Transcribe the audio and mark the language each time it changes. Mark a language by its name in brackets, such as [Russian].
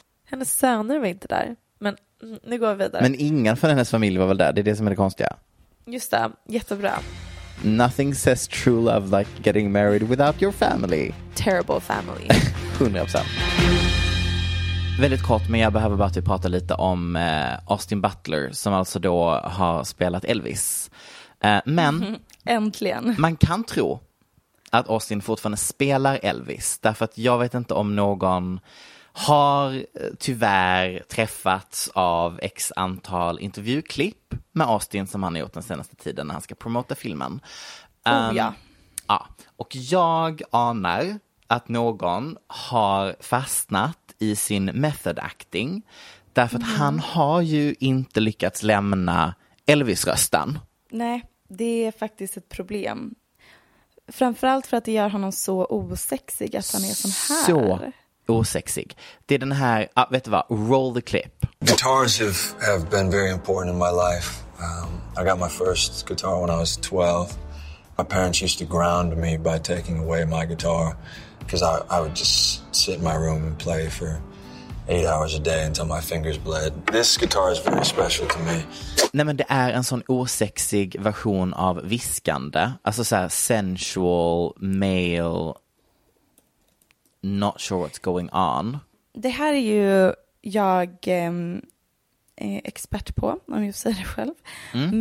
[Swedish] Hennes söner var inte där. Men nu går vi vidare. Men ingen från hennes familj var väl där? Det är det som är det konstiga. Just det. Jättebra. [English] Nothing says true love like getting married without your family. Terrible family. 100%. [Swedish] Väldigt kort, men jag behöver bara typ prata lite om Austin Butler, som alltså då har spelat Elvis. Men äntligen. Man kan tro att Austin fortfarande spelar Elvis, därför att jag vet inte om någon har tyvärr träffats av x antal intervjuklipp med Austin som han har gjort den senaste tiden när han ska promota filmen. Ja. Och jag anar att någon har fastnat i sin method acting. Därför att han har ju inte lyckats lämna Elvis-rösten. Nej, det är faktiskt ett problem. Framförallt för att det gör honom så osexig att han är sån här. Så osexig. Det är den här, vet du vad, [English] roll the clip. Guitars have been very important in my life. I got my first guitar when I was 12. My parents used to ground me by taking away my guitar. Because I would just sit in my room and play for 8 hours a day until my fingers bled. This guitar is very special to me. [Swedish] Nej, men det är en sån osexig version av viskande. Alltså så här [English] sensual, male, not sure what's going on. [Swedish] Det här är ju jag är expert på, om jag säger det själv. Mm.